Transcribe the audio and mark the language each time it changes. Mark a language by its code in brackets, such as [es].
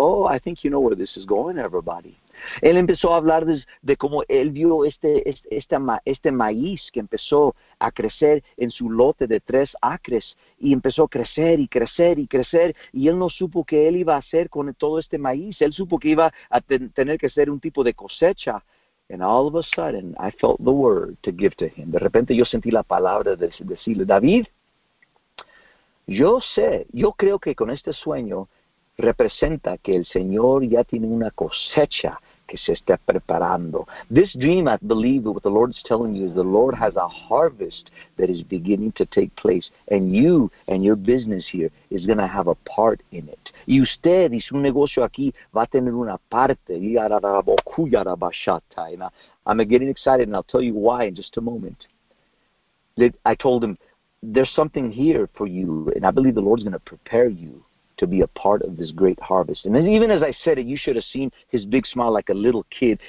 [en] Oh, I think you know where this is going, everybody. [es] Él empezó a hablar de cómo él vio este maíz que empezó a crecer en su lote de 3 acres, y empezó a crecer y crecer y crecer, y él no supo qué él iba a hacer con todo este maíz. Él supo que iba a tener que hacer un tipo de cosecha. [en] And all of a sudden, I felt the word to give to him. [es] De repente, yo sentí la palabra de decirle, David, yo sé, yo creo que con este sueño representa que el Señor ya tiene una cosecha que se está preparando. [en] This dream, I believe, what the Lord is telling you is the Lord has a harvest that is beginning to take place. And you and your business here is going to have a part in it. [es] Y usted y su negocio aquí va a tener una parte. [en] I'm getting excited, and I'll tell you why in just a moment. I told him, there's something here for you, and I believe the Lord's going to prepare you to be a part of this great harvest. And then even as I said it, you should have seen his big smile like a little kid.